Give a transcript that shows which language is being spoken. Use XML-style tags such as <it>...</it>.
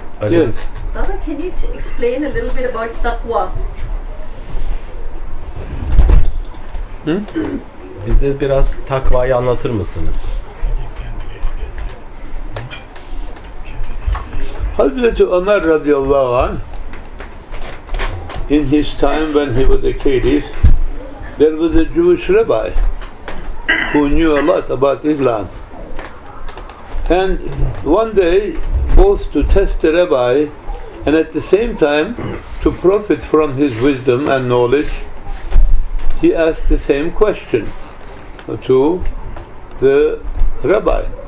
<en>Yes. Baba, can you explain a little bit about taqwa?</en> <tr>Bize biraz takvayı anlatır mısınız?</tr> <en>Hazreti Ömer radıyallahu anh, in his time when he was a caliph, there was a Jewish rabbi who knew a lot about Islam. And one day, both to test the rabbi and at the same time to profit from his wisdom and knowledge, he asked the same question to the rabbi.</en>